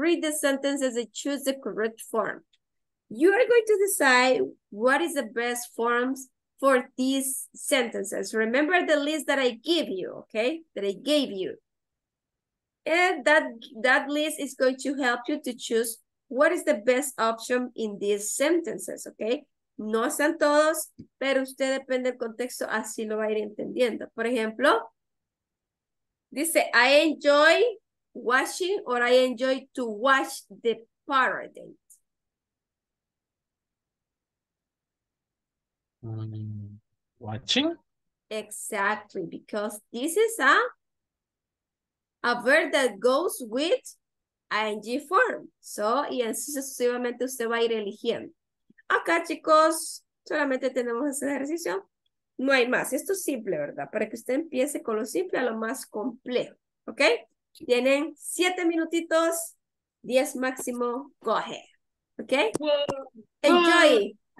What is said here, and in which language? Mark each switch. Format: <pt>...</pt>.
<en>Read the sentences and choose the correct form. You are going to decide what is the best forms for these sentences. Remember the list that I give you, okay? That I gave you. And that list is going to help you to choose what is the best option in these sentences, okay?</en> <es>No están todos, pero usted depende del contexto, así lo va a ir entendiendo. Por ejemplo, dice,</es> <en>I enjoy watching or I enjoy to watch the parody. Watching. Exactly, because this is a verb that goes with ing form.</en> <es>So, y así sucesivamente usted va a ir eligiendo. Acá, chicos, solamente tenemos ese ejercicio. No hay más. Esto es simple, ¿verdad? Para que usted empiece con lo simple a lo más complejo. ¿Ok? Tienen 7 minutitos, 10 máximo.</es> <en>Go ahead.</en> <es>¿Ok? Enjoy.</es>